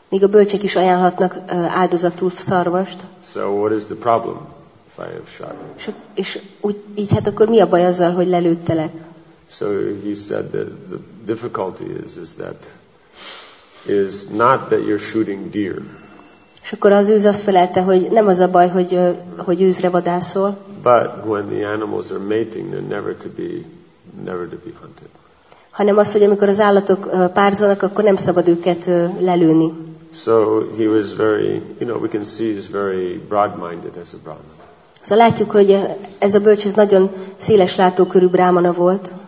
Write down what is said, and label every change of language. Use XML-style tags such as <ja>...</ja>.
<hu>Még a bölcsek is ajánlhatnak áldozatul szarvast.</hu> <en>So what is the problem if I have shot?</en> <hu>És úgy, így hát akkor mi a baj azzal, hogy lelőttelek?</hu> <en>So he said that the difficulty is not that you're shooting deer.</en> <hu>És akkor az őz azt felelte, hogy nem az a baj, hogy őzre vadászol.</hu> <en>But when the animals are mating, they're never to be hunted.</en> <hu>Hanem az, hogy amikor az állatok párzolnak, akkor nem szabad őket lelőni.</hu> <en>So he was very, you know, we can see he's very broad-minded as a brahmana.</en> <hu>Szóval látjuk, hogy ez a bölcs ez nagyon széles látókörű brámana volt.</hu>